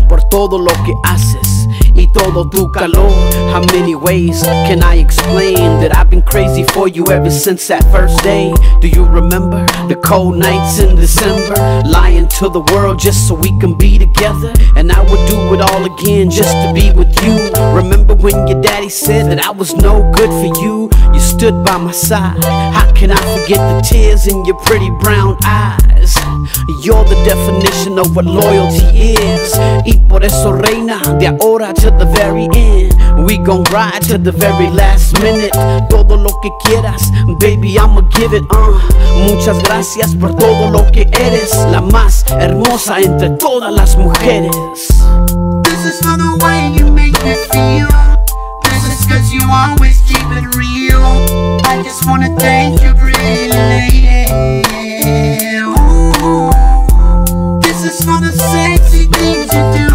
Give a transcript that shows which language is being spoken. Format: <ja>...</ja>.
<es>Por todo lo que haces y todo tu calor.</es> <en>How many ways can I explain that I've been crazy for you ever since that first day? Do you remember the cold nights in December? Lying to the world just so we can be together. And I would do it all again just to be with you. Remember when your daddy said that I was no good for you? You stood by my side. How can I forget the tears in your pretty brown eyes? You're the definition of what loyalty is.</en> <es>Y por eso reina de ahora</es> <en>to the very end. We gon' ride to the very last minute.</en> <es>Todo lo que quieras, baby,</es> <en>I'ma give it,</en> <es>Muchas gracias por todo lo que eres. La más hermosa entre todas las mujeres.</es> <en>This is for the way you make me feel. This is cause you always keep it real. I just wanna thank you, pretty lady. Ooh. This is for the sexy things you do.</en>